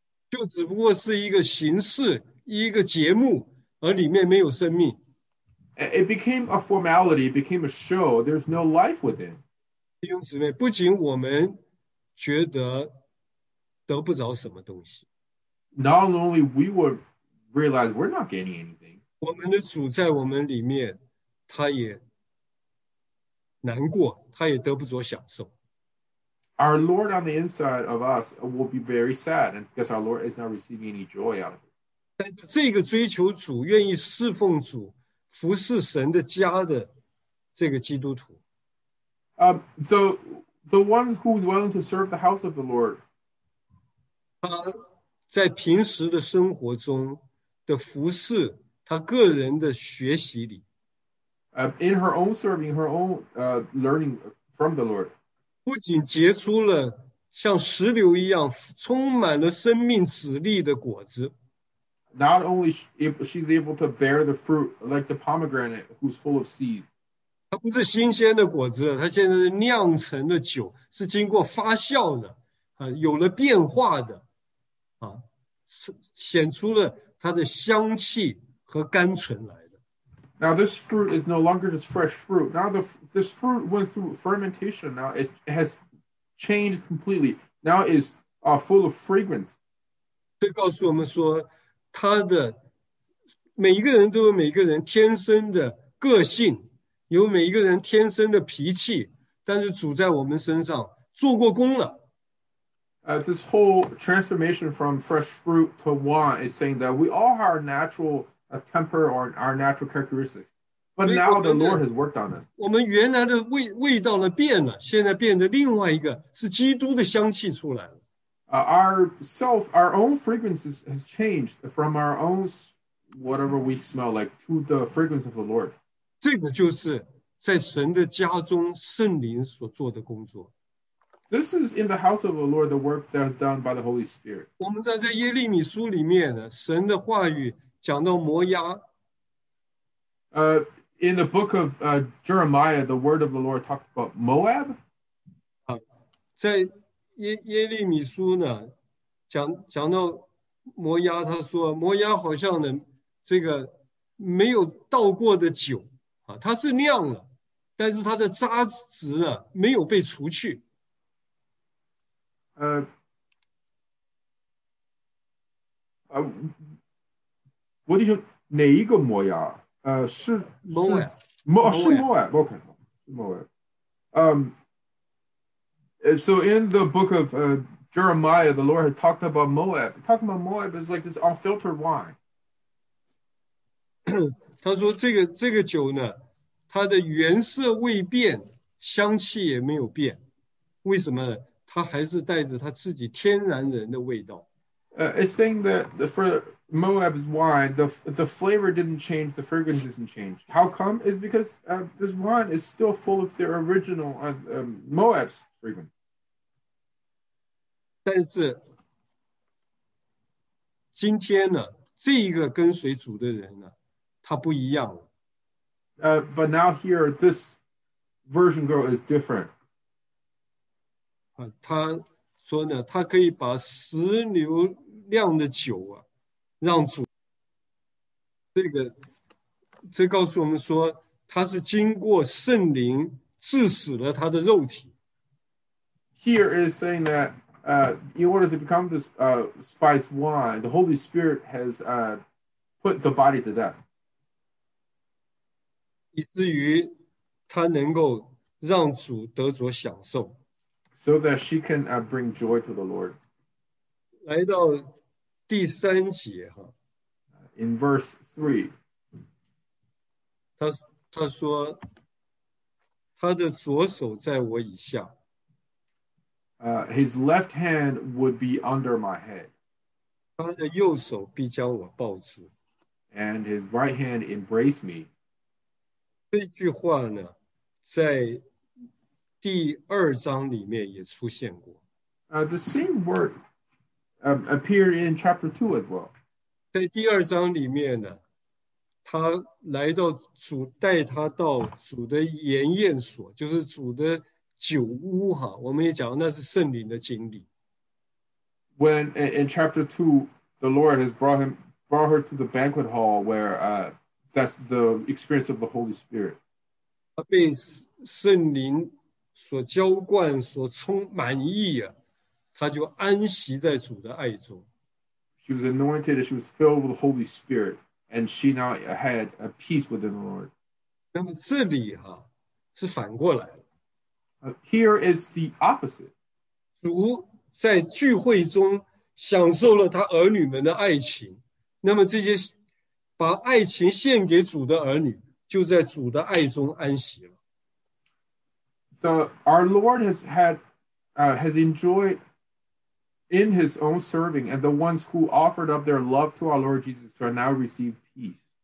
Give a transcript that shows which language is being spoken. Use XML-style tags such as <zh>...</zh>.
<zh>就只不过是一个形式一个节目而里面没有生命。</zh> <en>It became a formality, it became a show. There's no life within.</en> <zh>弟兄姊妹，不仅我们觉得得不着什么东西。</zh> <en>Not only we would realize we're not getting anything.</en> <zh>我们的主在我们里面，他也难过，他也得不着享受。</zh> <en>Our Lord on the inside of us will be very sad because our Lord is not receiving any joy out of it.</en> <zh>但是这个追求主，愿意侍奉主。服侍神的家的这个基督徒</zh> <en>the one who's willing to serve the house of the Lord</en> <zh>他在平时的生活中的服侍他个人的学习里</zh> <en>in her own serving her own learning from the Lord</en> <zh>不仅结出了像石榴一样充满了生命籽粒的果子</zh> <en>Not only she's able to bear the fruit like the pomegranate, who's full of seed.</en> <zh>它不是新鲜的果子，它现在是酿成的酒，是经过发酵的，有了变化的，显出了它的香气和甘醇来的。</zh> <en>Now this fruit is no longer just fresh fruit. Now this fruit went through fermentation. Now it has changed completely. Now it's full of fragrance.</en> <zh>这告诉我们说。他的每一个人都有每一个人天生的个性，有每一个人天生的脾气，但是主在我们身上做过工了。</zh> <en>This whole transformation from fresh fruit to wine is saying that we all have our natural temper or our natural characteristics, but now the Lord has worked on us.</en> <zh>我们原来的味道呢变了，现在变得另外一个是基督的香气出来了。</zh> <en>Our own fragrance has changed from our own whatever we smell like to the fragrance of the Lord.</en> <zh>这个就是在神的家中圣灵所做的工作。</zh> <en>This is in the house of the Lord, the work that's done by the Holy Spirit.</en> <zh>我们在耶利米书里面呢，神的话语讲到摩押。</zh> <en>In the book of Jeremiah, the word of the Lord talked about Moab.</en> <zh>在耶利米书呢 讲到摩押他说摩押好像呢这个没有倒过的酒他是酿了但是他的渣滓呢没有被除去。我得说哪一个摩押是摩押。摩押 OK, 摩押。</zh> <en>So in the book of Jeremiah, the Lord had talked about Moab. Talking about Moab is like this unfiltered wine.</en> <zh>他说这个酒呢，它的原色未变，香气也没有变。为什么呢？它还是带着它自己天然人的味道。</zh> <en>It's saying that for Moab's wine, the flavor didn't change, the fragrance didn't change. How come? It's because this wine is still full of their original Moab's fragrance.</en> <zh>但是今天呢，这一个跟随主的人呢，他不一样了。</zh> <en>But now here, this version girl is different.</en> <zh>他说呢，他可以把石榴酿的酒啊。让主这告诉我们说他是经过圣灵致死了他的肉体。</zh> <en>Here is saying that in order to become this spiced wine, the Holy Spirit has put the body to death.</en> <zh>以至于她能够让主得着享受。</zh> <en>So that she can bring joy to the Lord.</en> <zh>来到第三节哈。</zh> <en>In verse 3.</en> <zh>她说她的左手在我以下。</zh> <en>His left hand would be under my head.</en> <zh>他的右手必将我抱住。</zh> <en>And his right hand embraced me.</en> <zh>这句话呢，在第二章里面也出现过。</zh> <en>The same word appeared in chapter 2 as well.</en> <zh>在第二章里面呢，他来到主，带他到主的筵宴所，就是主的酒屋哈，我们也讲那是圣灵的经历。</zh> <en>When in chapter 2, the Lord has brought her to the banquet hall where that's the experience of the Holy Spirit.</en> <zh>他被圣灵所浇灌，所充满意啊，他就安息在主的爱中。</zh> <en>She was anointed, she was filled with the Holy Spirit, and she now had a peace with the Lord.</en> <zh>那么这里哈，是反过来了。</zh> <en>Here is the opposite.</en> <zh>主在聚会中享受了他儿女们的爱情，那么这些把爱情献给主的儿女就在主的爱中安息了。</zh> <en>So our Lord has enjoyed in his own serving, and the ones who offered up their love to our Lord Jesus are now received peace.</en>